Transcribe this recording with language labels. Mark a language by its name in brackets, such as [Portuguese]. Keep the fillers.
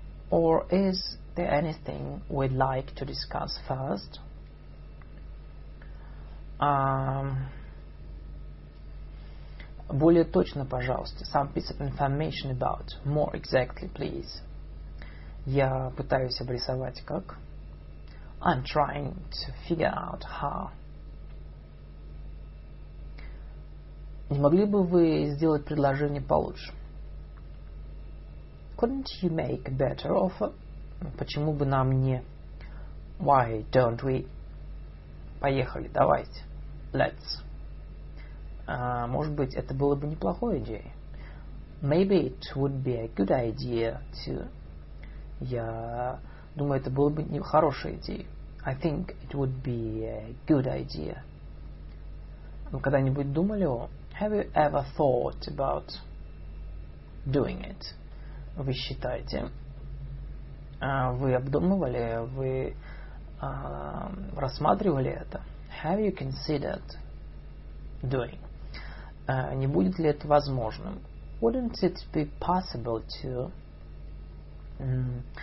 [English] Or is there anything we'd like to discuss first? [Russian] Um, Более точно, пожалуйста. [English] Some piece of information about. More exactly, please. [Russian] Я пытаюсь обрисовать как. [English] I'm trying to figure out how. [Russian] Не могли бы вы сделать предложение получше? [English] Couldn't you make a better offer? [Russian] Почему бы нам не... [English] Why don't we? [Russian] Поехали, давайте. [English] Let's. [Russian] Uh, может быть, это было бы неплохой идеей. [English] Maybe it would be a good idea to... [Russian] Я думаю, это было бы не хорошей идеей. [English] I think it would be a good idea. [Russian] Вы когда-нибудь думали о... [English] Oh, have you ever thought about doing it? [Russian] Вы считаете? Uh, вы обдумывали? Вы uh, рассматривали это? [English] Have you considered doing [Russian] Uh, не будет ли это возможным? [English] Wouldn't it be possible to? Mm.